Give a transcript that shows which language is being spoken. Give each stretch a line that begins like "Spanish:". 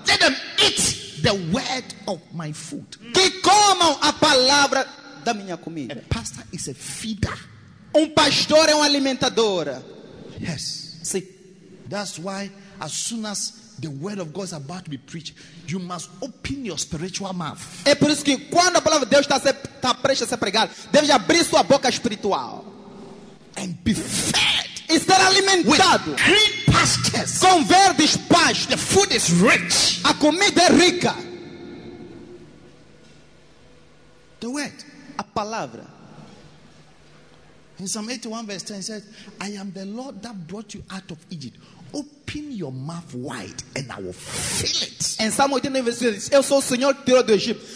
English: Let them eat the word of my food.
Portuguese: Que comam a palavra da minha comida.
English: A pastor is a feeder.
Portuguese: Um pastor é um alimentador.
English: Yes.
Portuguese: Sim.
English: That's why as soon as the word of God is about to be preached, you must open your spiritual mouth.
Portuguese: É por isso que quando a palavra de Deus está prestes a ser pregada, deve abrir sua boca espiritual.
English: And be fed.
Portuguese: E ser alimentado.
English: With green pastures.
Portuguese: Com verdes pastos.
English: The food is rich.
Portuguese: A comida é rica.
English: The word.
Portuguese: A palavra.
English: In Psalm 81 verse 10 says, I am the Lord that brought you out of Egypt. Open your mouth wide and I will fill it.
Portuguese: Em
English: Psalm 81 verse 10 says,
Portuguese: eu sou o Senhor que tirou do Egito.